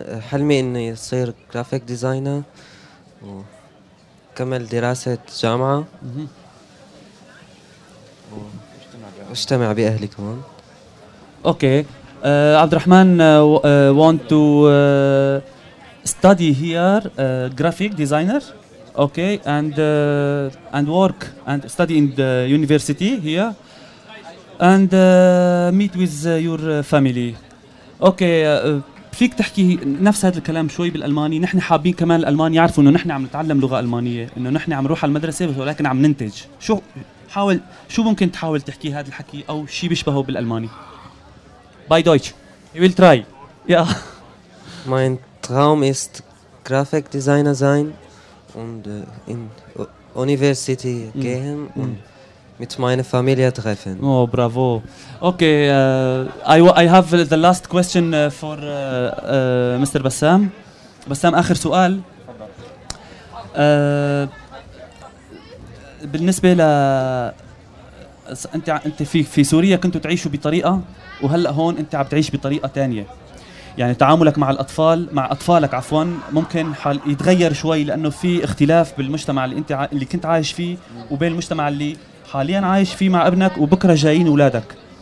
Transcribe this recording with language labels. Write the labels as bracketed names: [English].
[Arabic] حلمي إني أصير جرافيك ديزاينر وكمل دراسة جامعة واجتمع بأهلي كمان. [English] Okay. عبد الرحمن want to study here graphic designer, okay, and work and study in the university here, and meet with your family. [Arabic] Okay, فيك تحكي نفس هذا الكلام شوي بالألماني. نحن حابين كمان الألمان يعرفوا إنه نحن عم نتعلم لغة ألمانية, إنه نحن عم نروح على المدرسة ولكن عم ننتج. شو ممكن تحاول تحكي هذا الحكي أو شيء بيشبهه بالألماني؟ [English] By Deutsch. He will try. Yeah. [German] Mein Traum ist Graphic Designer sein und in University gehen und mit meiner Familie treffen. [English] Oh, bravo. Okay, I have the last question for Mr. Bassam. [Arabic] Bassam, آخر سؤال. بالنسبة ل انت في سوريا كنت تعيش بطريقة, وهلا هون انت عم تعيش بطريقة تانية. يعني تعاملك مع الأطفال, مع أطفالك عفوا, ممكن حال يتغير شوي لأنه في اختلاف بالمجتمع اللي كنت عايش فيه وبين المجتمع اللي حاليا عايش فيه مع ابنك وبكرة جايين أولادك.